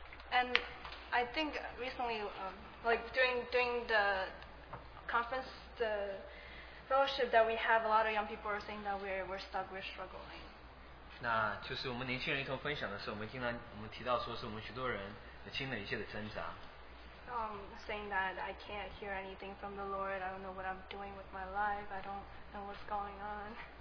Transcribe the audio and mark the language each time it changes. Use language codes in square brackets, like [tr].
[en] And I think recently, like during the conference, the fellowship that we have, a lot of young people are saying that we're stuck, we're struggling. [zh] 那就是我们年轻人一同分享的时候，我们经常提到说是我们许多人经历了一切的挣扎。 [en] Saying that I can't hear anything from the Lord, I don't know what I'm doing with my life, I don't know what's going on.